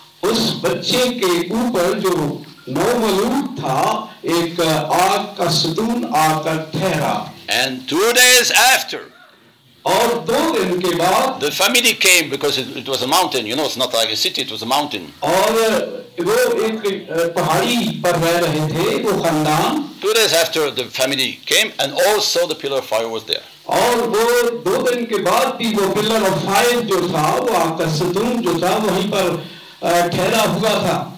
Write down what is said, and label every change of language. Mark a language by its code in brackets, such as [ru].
[hi] उस बच्चे के ऊपर जो नौ मलूम था एक आग का सुतून आकर ठहरा. [en] and two days after [hi] और दो दिन के बाद [en] the family came because it was a mountain, you know, it's not like a city, it was a mountain. [hi] और वो एक पहाड़ी पर रह रहे थे वो खानदान. [en] 2 days after the family came and also the pillar of fire was there. [hi] और वो दो दिन के बाद भी वो [en] pillar of fire [hi] जो था वो आकर सतून जो था वहीं पर ठहरा हुआ था.